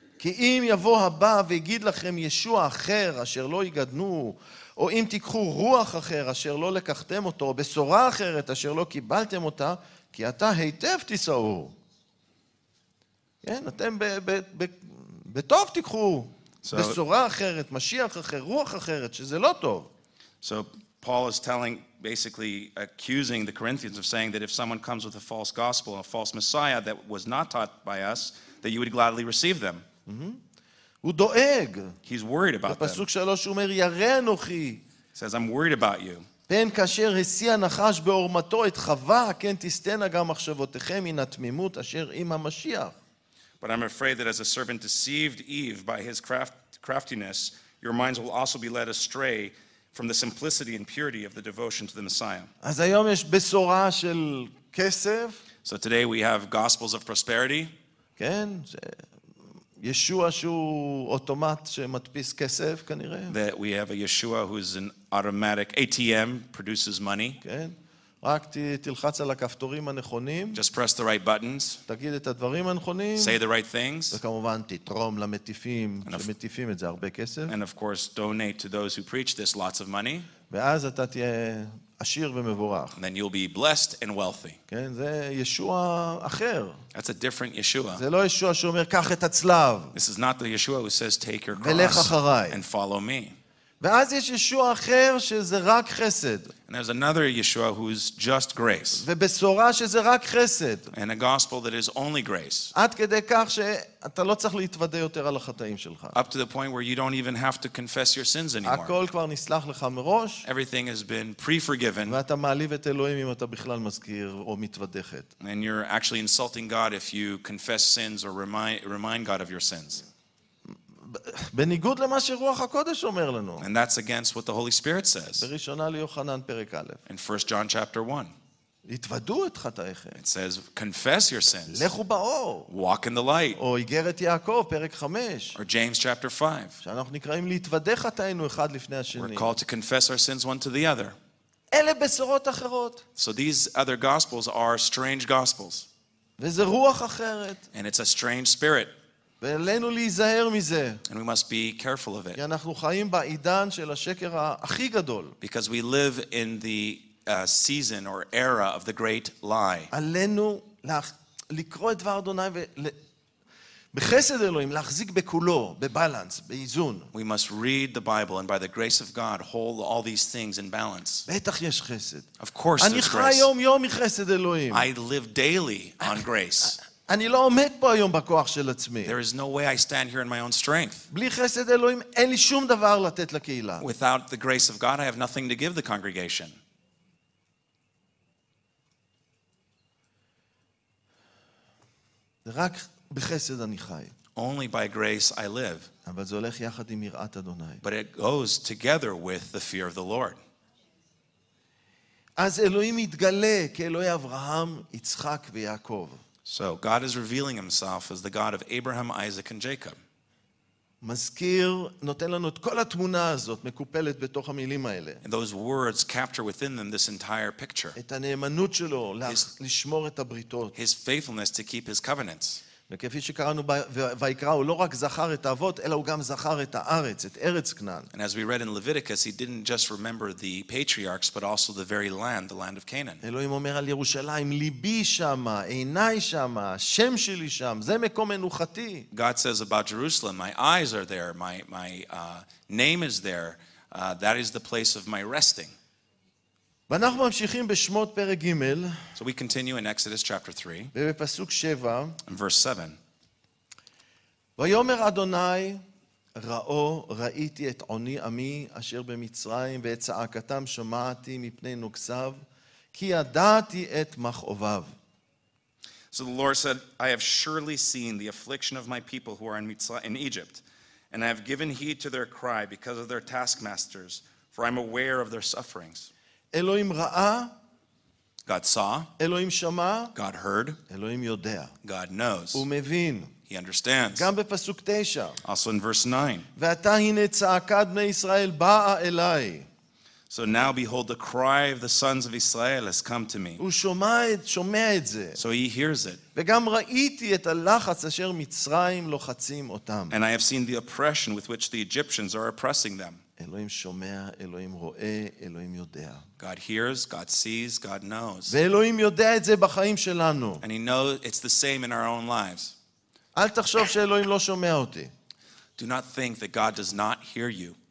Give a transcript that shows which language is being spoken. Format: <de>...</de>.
<he>כי אם יבוא הבא ויגיד לכם ישוע אחר אשר לא יגדנו, או אם תיקחו רוח אחר אשר לא לקחתם אותו, או בשורה אחרת אשר לא קיבלתם אותה, כי אתה היטב תישאו. כן, אתם בטוב תיקחו. בשורה אחרת, משיח אחר, רוח אחרת, שזה לא טוב.</he> <en>So Paul is telling, basically accusing the Corinthians of saying that if someone comes with a false gospel, a false Messiah that was not taught by us, that you would gladly receive them.</en> <he>הוא דואג.</he> <en>He's worried about them.</en> <he>בפסוק 3 הוא אומר, ירא אנוכי.</he> <en>He says, I'm worried about you.</en> <he>פן כאשר השיא הנחש בעורמתו את חווה, כן תסתנה גם מחשבותיכם מן התמימות אשר עם המשיח.</he> <en>But I'm afraid that as a servant deceived Eve by his craftiness, your minds will also be led astray from the simplicity and purity of the devotion to the Messiah.</en> <he>אז היום יש בשורה של כסף.</he> <en>So today we have gospels of prosperity.</en> <he>כן, ישוע שהוא אוטומט שמדפיס כסף כנראה.</he> <en>That we have a Yeshua who is an automatic ATM, produces money.</en> <he>כן. רק תלחץ על הכפתורים הנכונים.</he> <en>Just press the right buttons.</en> <he>תגיד את הדברים הנכונים.</he> <en>Say the right things.</en> <he>וכמובן תתרום למטיפים שמטיפים את זה הרבה כסף.</he> <en>And of course donate to those who preach this lots of money.</en> <he>ואז אתה תהיה עשיר ומבורך.</he> <en>Then you'll be blessed and wealthy.</en> <he>כן, זה ישוע אחר.</he> <en>That's a different Yeshua.</en> <he>זה לא ישוע שאומר קח את הצלב.</he> <en>This is not the Yeshua who says take your cross.</en> <he>ולך אחריי.</he> <en>And follow me.</en> <he>ואז יש ישוע אחר שזה רק חסד.</he> <en>And there's another Yeshua who is just grace.</en> <he>ובשורה שזה רק חסד.</he> <en>And a gospel that is only grace.</en> <he>עד כדי כך שאתה לא צריך להתוודא יותר על החטאים שלך.</he> <en>Up to the point where you don't even have to confess your sins anymore.</en> <he>הכל כבר נסלח לך מראש.</he> <en>Everything has been pre-forgiven.</en> <he>ואתה מעליב את אלוהים אם אתה בכלל מזכיר או מתוודחת.</he> <en>And you're actually insulting God if you confess sins or remind God of your sins.</en> <he>בניגוד למה שרוח הקודש אומר לנו.</he> <en>And that's against what the Holy Spirit says.</en> <he>בראשונה ליוחנן פרק א'.</he> <en>In 1 John chapter 1.</en> <he>התוודו את חטאיכם.</he> <en>It says confess your sins.</en> <he>לכו באור.</he> <en>Walk in the light.</en> <he>או איגרת יעקב פרק 5.</he> <en>Or James chapter 5.</en> <he>שאנחנו נקראים להתוודא חטאינו אחד לפני השני.</he> <en>We're called to confess our sins one to the other.</en> <he>אלה בשורות אחרות.</he> <en>So these other gospels are strange gospels.</en> <he>וזה רוח אחרת.</he> <en>And it's a strange spirit.</en> <he>ועלינו להיזהר מזה.</he> <en>And we must be careful of it.</en> <he>כי אנחנו חיים בעידן של השקר הכי גדול.</he> <en>Because we live in the season or era of the great lie.</en> <he>עלינו לקרוא את דבר אדוני ובחסד אלוהים להחזיק בכולו, בבלנס, באיזון.</he> <en>We must read the Bible and by the grace of God hold all these things in balance.</en> <he>בטח יש חסד.</he> <en>Of course there's grace.</en> <he>אני חי יום יום מחסד אלוהים.</he> <en>I live daily on grace.</en> <he>אני לא עומד פה היום בכוח של עצמי.</he> <en>There is no way I stand here in my own strength.</en> <he>בלי חסד אלוהים אין לי שום דבר לתת לקהילה.</he> <en>Without the grace of God, I have nothing to give the congregation.</en> <he>רק בחסד אני חי.</he> <en>Only by grace I live.</en> <he>אבל זה הולך יחד עם יראת אדוני.</he> <en>But it goes together with the fear of the Lord.</en> <he>אז אלוהים יתגלה כאלוהי אברהם, יצחק ויעקב.</he> <en>So God is revealing himself as the God of Abraham, Isaac and Jacob.</en> <he>מזכיר נותן לנו את כל התמונה הזאת מקופלת בתוך המילים האלה.</he> <en>And those words capture within them this entire picture.</en> <he>את הנאמנות שלו לשמור את הבריתות.</he> <en>His faithfulness to keep his covenants.</en> <he>וכפי שקראנו ויקרא הוא לא רק זכר את האבות אלא הוא גם זכר את הארץ, את ארץ כנען.</he> <en>And as we read in Leviticus he didn't just remember the patriarchs but also the very land, the land of Canaan.</en> <he>אלוהים אומר על ירושלים ליבי שמה, עיניי שמה, שם שלי שם, זה מקום מנוחתי.</he> <en>God says about Jerusalem, my eyes are there, my name is there, that is the place of my resting.</en> <he>ואנחנו ממשיכים בשמות פרק ג'</he> <en>So we continue in Exodus chapter 3</en> <he>ובפסוק 7</he> <en>verse 7</en> <he>ויאמר אדוני ראו ראיתי את עוני עמי אשר במצרים ואת צעקתם שמעתי מפני נוקציו כי ידעתי את מכאוביו</he> <en>So the Lord said I have surely seen the affliction of my people who are in Mitzrayim, in Egypt and I have given heed to their cry because of their taskmasters for I'm aware of their sufferings</en> <he>אלוהים ראה</he> <en>God saw</en> <he>אלוהים שמע</he> <en>God heard</en> <he>אלוהים יודע</he> <en>God knows</en> <he>הוא מבין</he> <en>He understands</en> <he>גם בפסוק 9</he> <en>Also in verse 9</en> <he>ואתה הנה צעקת בני ישראל באה אליי</he> <en>So now behold the cry of the sons of Israel has come to me</en> <he>הוא שומע את זה</he> <en>So he hears it</en> <he>וגם ראיתי את הלחץ אשר מצרים לוחצים אותם</he> <en>And I have seen the oppression with which the Egyptians are oppressing them</en> <he>אלוהים שומע, אלוהים רואה, אלוהים יודע.</he> <en>God hears, God sees, God knows.</en> <he>ואלוהים יודע את זה בחיים שלנו.</he> <en>And he knows it's the same in our own lives.</en> <he>אל תחשוב שאלוהים לא שומע אותי.</he> <en>Do not think that God does not hear you.</en>